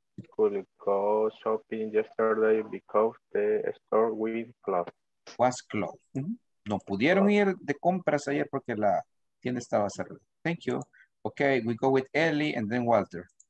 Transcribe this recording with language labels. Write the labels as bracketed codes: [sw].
[en] Could go shopping yesterday because the store was closed. Was closed. Mm-hmm. [es] No pudieron ir de compras ayer porque la tienda estaba cerrada. [en] Thank you. Okay, we go with Ellie and then Walter.